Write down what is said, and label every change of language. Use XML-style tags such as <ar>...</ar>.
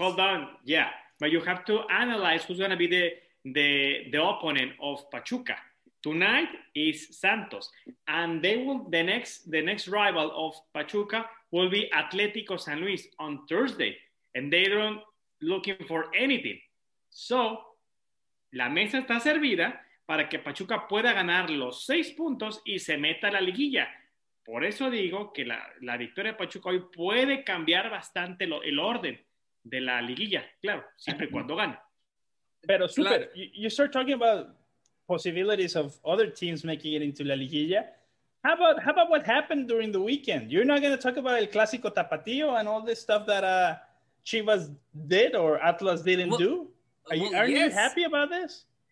<en>Hold on, yeah, but you have to analyze who's gonna be the opponent of Pachuca. Tonight is Santos, and they will the next rival of Pachuca will be Atlético San Luis on Thursday, and they don't looking for anything.</en> <es>So la mesa está servida para que Pachuca pueda ganar los 6 puntos y se meta a la liguilla. Por eso digo que la victoria de Pachuca hoy puede cambiar bastante el orden de la liguilla, claro, siempre y cuando gane. Pero super, claro.</es> <en>you start talking about possibilities of other teams making it into la liguilla. How about what happened during the weekend? You're not going to talk about el clásico tapatío and all this stuff that Chivas did or Atlas didn't do? Are you happy about this?</en>